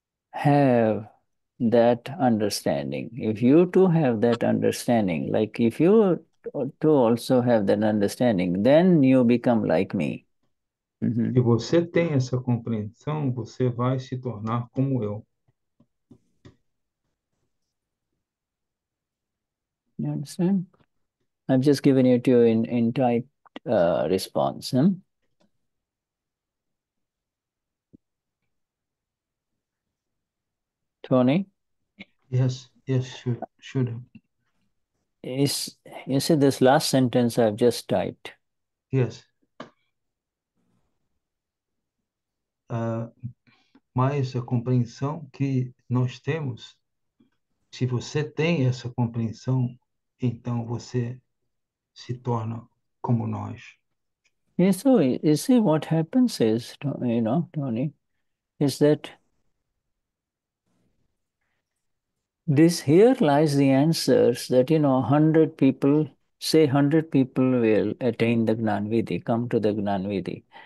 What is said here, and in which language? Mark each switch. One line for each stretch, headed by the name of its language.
English: have that understanding, if you too have that understanding, like if you too also have that understanding, then you become like me.
Portuguese: Se você tem essa compreensão, você vai se tornar como eu.
English: You understand? I've just given it to you in typed response. Tony, Yes, should. is you see this last sentence I've just typed? Yes.
Portuguese: Mas a compreensão que nós temos, se você tem essa compreensão, então você se torna como nós.
English: Yeah, so you see what happens is, you know, Tony, is that this here lies the answers that, you know, 100 people, say 100 people will attain the Gnanvidhi, come to the Gnanvidhi.